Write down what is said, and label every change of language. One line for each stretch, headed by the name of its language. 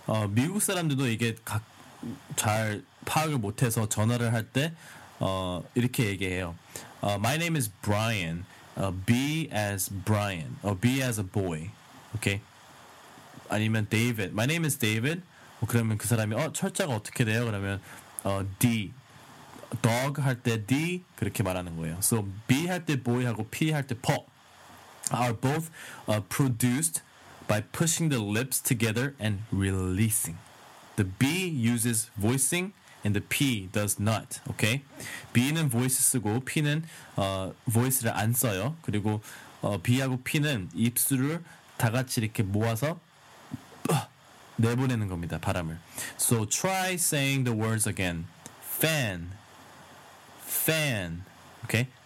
Korean: 미국 사람들도 이게 각 잘 파악을 못해서 전화를 할 때 이렇게 얘기해요.
English: My name is Brian. B as Brian. B as a boy.
Korean: 오케이.
English: Okay. 아니면 David. My name is David.
Korean: 뭐 그러면 그 사람이 철자가 어떻게 돼요? 그러면 D. Dog 할 때 D 그렇게 말하는 거예요.
English: So B
Korean: 할 때
English: boy 하고 P 할 때 pop are both produced by pushing the lips together and releasing. The B uses voicing and the P does not.
Korean: Okay. B는 voice 쓰고 P는 voice를 안 써요. 그리고 B하고 P는 입술을 다 같이 이렇게 모아서 내보내는 겁니다. 바람을.
English: So try saying the words again. Fan, fan, okay.